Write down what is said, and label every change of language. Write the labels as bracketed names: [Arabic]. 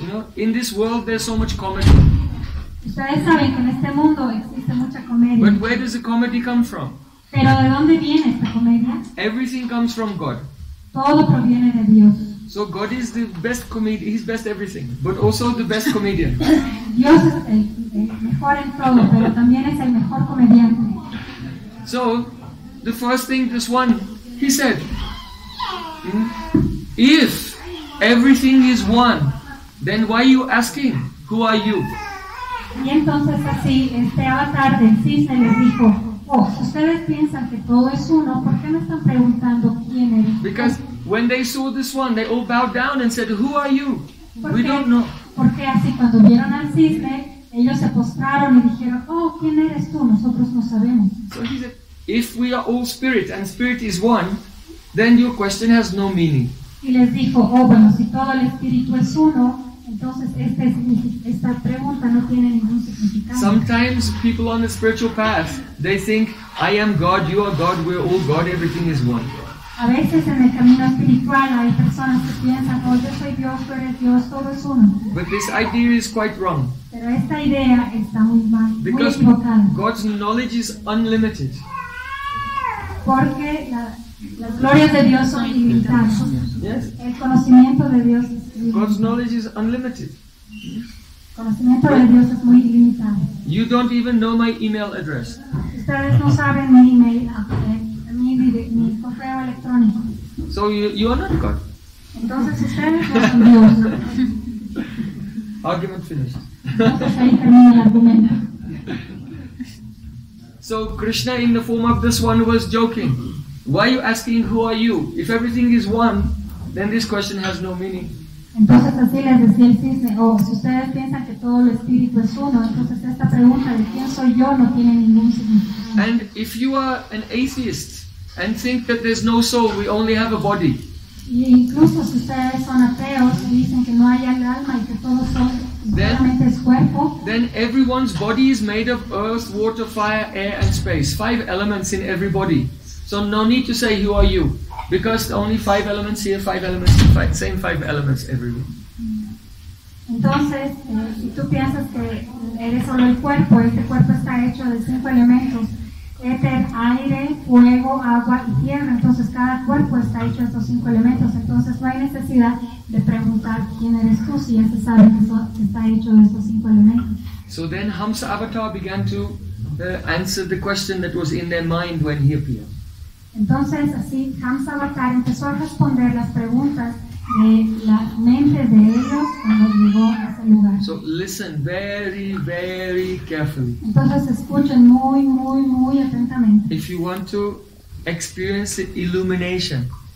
[English] You know, in this world there's so much comedy. [Spanish] Ustedes saben que en este mundo existe mucha comedia. [English] But where does the comedy come from? [Spanish] ¿Pero de dónde viene esta comedia? [English] Everything comes from God. [Spanish] Todo proviene de Dios. [English] So God is the best comedian. He's best everything, but also the best comedian. [Spanish] Dios es el mejor en todo, pero también es el mejor comediante. [English] So, the first thing, this one, he said, if everything is one, then why are you asking, who are you? [Spanish] Y entonces así, este avatar del cisne les dijo, oh, ustedes piensan que todo es uno, ¿por qué me están preguntando quién eres? [English] Because when they saw this one, they all bowed down and said, who are you? We don't know. [Spanish] Porque así, cuando vieron al cisne, ellos se postraron y dijeron, oh, ¿quién eres tú? Nosotros no sabemos. [English] So he said, if we are all spirit and spirit is one, then your question has no meaning. [Spanish] Y les dijo, oh, bueno, si todo el espíritu es uno, entonces esta pregunta no tiene ningún significado. [English] Sometimes people on the spiritual path, they think, I am God, you are God, we are all God, everything is one. [Spanish] A veces en el camino espiritual hay personas que piensan, oh, yo soy Dios, tú eres Dios, todo es uno. [English] But this idea is quite wrong. [Spanish] Pero esta idea está muy mal, [English] because [Spanish] muy equivocada. [English] Because God's knowledge is unlimited. [Spanish] Porque las glorias de Dios son ilimitadas. [English] Yes. [Spanish] El conocimiento de Dios es ilimitado. [English] God's knowledge is unlimited. [Spanish] El conocimiento de Dios es muy ilimitado. [English] You don't even know my email address. [Spanish] Ustedes no saben mi email, mi correo electrónico. [English] So you are not God. [Spanish] Entonces ustedes no son Dios. [English] Argument finished. [Spanish] Entonces ahí termina el argumento. [English] So Krishna, in the form of this one, was joking. Why are you asking who are you? If everything is one, then this question has no meaning. [Spanish] Entonces así les decía el cisne. Oh, si ustedes piensan que todo el espíritu es uno, entonces esta pregunta de quién soy yo no tiene ningún significado. [English] And if you are an atheist, and think that there's no soul, we only have a body. Then everyone's body is made of earth, water, fire, air and space. Five elements in every body. So no need to say who are you. Because only five elements here, five elements here, five, same five elements everywhere. [Spanish] Entonces, si tú piensas que eres solo el cuerpo, este cuerpo está hecho de cinco elementos, éter, aire, fuego, agua y tierra, entonces cada cuerpo está hecho de estos cinco elementos, entonces no hay necesidad de preguntar quién eres tú si ya se sabe que está hecho de estos cinco elementos. [English] So then Hamsa Avatar began to answer the question that was in their mind when he appeared. [Spanish] Entonces así Hamsa Avatar empezó a responder las preguntas de la mente de ellos cuando llegó a ese lugar. [English] So listen very, very carefully. [Spanish] Entonces escuchen muy, muy, muy atentamente. [English] If you want to experience the illumination.